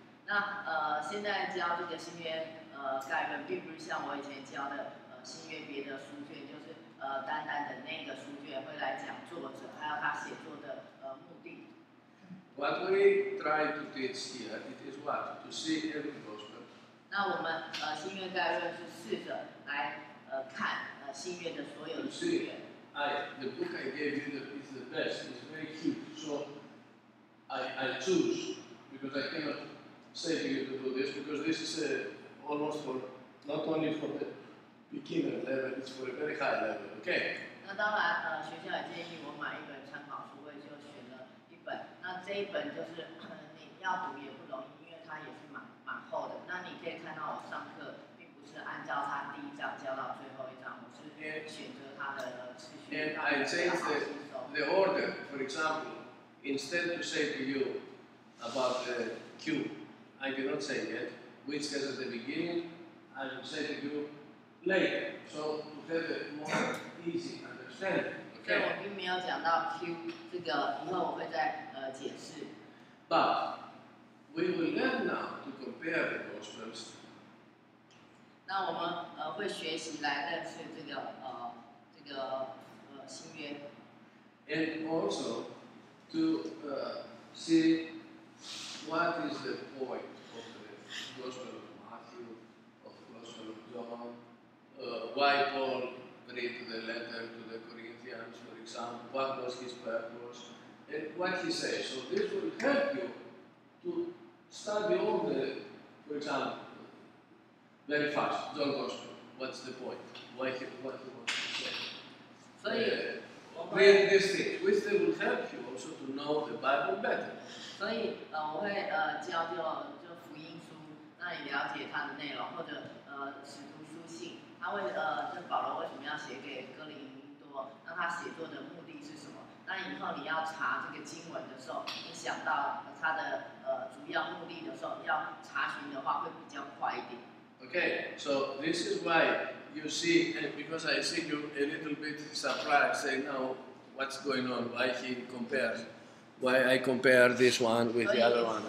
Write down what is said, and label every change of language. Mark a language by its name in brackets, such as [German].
[Chinese] 那现在教这个新约概论，并不是像我以前教的新约别的书卷，就是单单的那个书卷会来讲作者，还有他写作的目的。 [English] What we try to teach here, it is what? To see every gospel. [Chinese] 那我们新约概论是试着来看新约的所有书卷。 [English] The book I gave you is the best. It's very cute. So I choose because I cannot say to you to do this because this is almost for not only for the beginner level, it's for a very high level. Okay. [Chinese] 那当然，学校也建议我买一本参考书，我就选了一本。那这一本就是你要读也不容易，因为它也是蛮厚的。那你可以看到我上课。是按照他第一章教到最后一章，我是选择他的次序。 [English] And I change the order. For example, instead to say to you about the cube, I cannot say yet which is at the beginning. I will say to you later, so to have a more easy understanding. Okay. [Chinese] 所以我并没有讲到 cube 这个，以后我会再解释。 [English] But we will learn now to compare the gospels. [Chinese] 那我们会学习来认识这个新约。 [English] And also to see what is the point of the Gospel of Matthew, of the Gospel of John, why Paul read the letter to the Corinthians, for example, what was his purpose, and what he says. So this will help you to study all the, for example, very fast, John Gospel, what's the point, why he, what he wants to say. So you read these things, which they will help you also to know the Bible better. [Chinese] 所以，我会教就福音书，让你了解它的内容，或者使徒书信，他会就保罗为什么要写给哥林多，那他写作的目的是什么？那以后你要查这个经文的时候，你想到他的主要目的的时候，要查询的话会比较快一点。 [English] Okay, so this is why you see, and because I see you a little bit surprised, saying now what's going on? Why he compares? Why I compare this one with the other one?